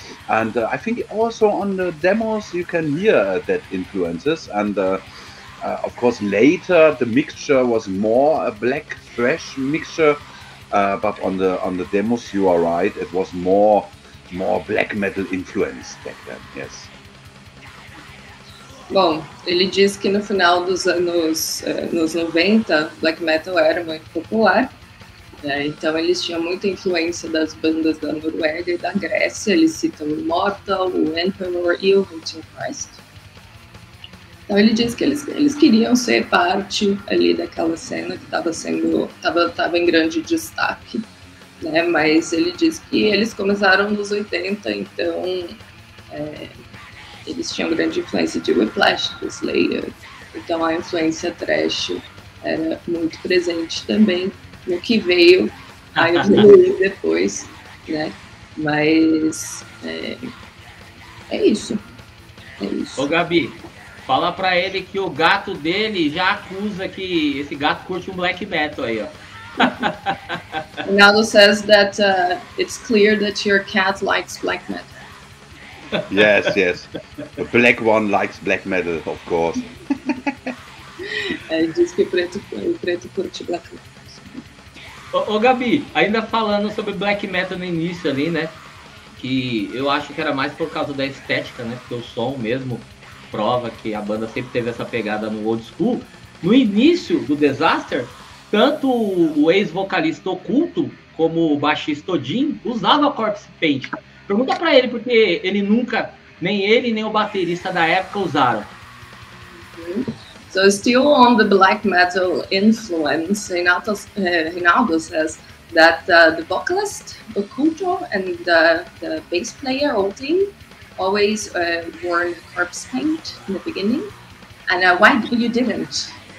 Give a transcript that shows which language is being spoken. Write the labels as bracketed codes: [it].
[en] And I think also on the demos you can hear that influences. And of course, later the mixture was more a black thrash mixture, but on the demos, you are right, it was more black metal influence back then, yes. [pt] Bom, ele diz que no final dos anos nos 90, black metal era muito popular, né? Então eles tinham muita influência das bandas da Noruega e da Grécia, eles citam o Immortal, o Emperor e o Hunting Christ. Então ele diz que eles queriam ser parte ali daquela cena que estava em grande destaque. Né, mas ele diz que eles começaram nos 80, então eles tinham grande influência de Whiplash, de Slayer. Então a influência thrash era muito presente também no que veio a evoluir depois, né? Mas é isso. Ô Gabi, fala pra ele que o gato dele já acusa que esse gato curte um black metal aí, ó. [en] Rinaldo says that it's clear that your cat likes black metal. Yes, yes. A black one likes black metal, of course. [pt] Ele diz que preto curte black metal. Ô Gabi, ainda falando sobre black metal no início ali, né? Que eu acho que era mais por causa da estética, né? Porque o som mesmo prova que a banda sempre teve essa pegada no old school. No início do Desaster, tanto o ex-vocalista Okkulto como o baixista Odin usava corpse paint. Pergunta pra ele, porque ele nunca, nem ele nem o baterista da época usaram. [en] So still on the black metal influence, Rinaldo says that the vocalist Okkulto and the bass player Odin always wore corpse paint in the beginning. And why you didn't?